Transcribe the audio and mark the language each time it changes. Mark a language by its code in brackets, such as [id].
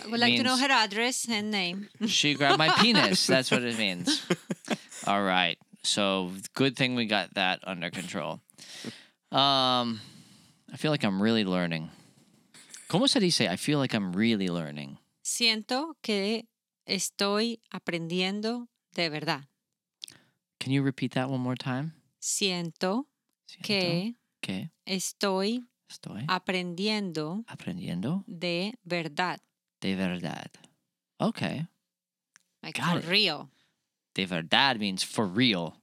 [en] I would like to know her address and name. She grabbed my penis. That's what it means. All right. So, good thing we got that under control. I feel like I'm really learning. [es] ¿Cómo se dice? [en] I feel like I'm really learning. [es] Siento que estoy aprendiendo de verdad. [en] Can you repeat that one more time? [es] Siento que estoy aprendiendo de verdad. De verdad. Okay. [en] Like got for it. Real. [es] De verdad [en] means for real.